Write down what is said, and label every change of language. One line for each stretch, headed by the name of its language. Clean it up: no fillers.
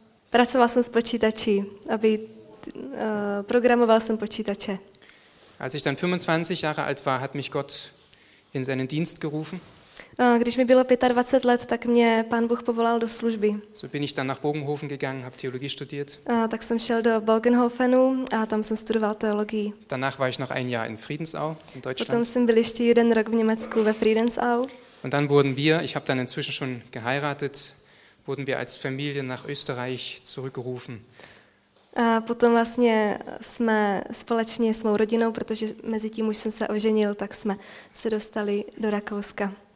Czech: Pracoval jsem s počítači, aby programoval jsem počítače.
German: Als ich dann 25 Jahre alt war, hat mich Gott in seinen Dienst gerufen.
Czech: Když mi bylo 25 let, tak mě Pán Bůh povolal do služby.
German: So bin ich dann nach Bogenhofen gegangen, habe Theologie studiert.
Czech: Tak jsem šel do Bogenhofenu a tam jsem studoval teologii.
German: Danach war ich noch ein Jahr in Friedensau in Deutschland.
Czech: Potom jsem byl ještě jeden rok v Německu ve Friedensau.
German: Und dann wurden wir, ich habe dann inzwischen schon geheiratet, wurden wir als Familie nach Österreich zurückgerufen.
Czech: A potom vlastně jsme společně s mou rodinou, protože mezi tím už jsem se oženil, tak jsme se dostali do Rakouska.